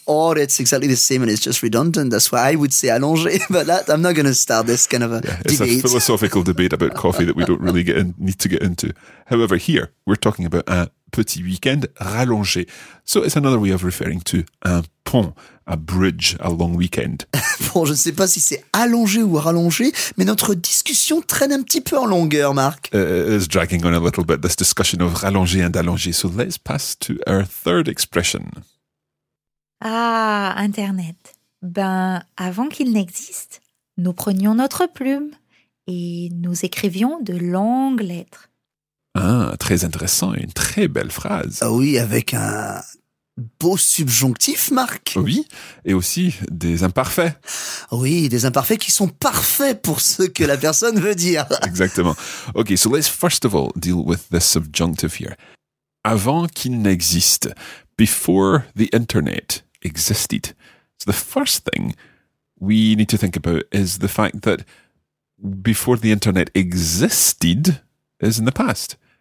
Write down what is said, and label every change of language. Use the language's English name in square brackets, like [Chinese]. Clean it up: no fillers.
[English] Or it's exactly the same and it's just redundant. That's why I would say allongé, but that, I'm not going to start this kind of a debate. It's a philosophical debate about coffee that we don't really need to get into. However, here, we're talking about [French] un petit week-end rallongé. [English] So it's another way of referring to [French] un pont, [English] a bridge, a long weekend. [French] Bon, je ne sais pas si c'est allongé ou rallongé, mais notre discussion traîne un petit peu en longueur, Marc. [English] It's dragging on a little bit, this discussion of rallongé and allongé. So let's pass to our third expression. [French] Ah, Internet. Ben, avant qu'il n'existe, nous prenions notre plume et nous écrivions de longues lettres. Ah, très intéressant, une très belle phrase. Ah oui, avec un beau subjonctif, Marc. Oui, et aussi des imparfaits. Oui, des imparfaits qui sont parfaits pour ce que la personne veut dire. Exactement. [English] Ok, so let's first of all deal with the subjunctive here. [French] Avant qu'il n'existe, [English] before the internet existed. So the first thing we need to think about is the fact that before the internet existed is in the past.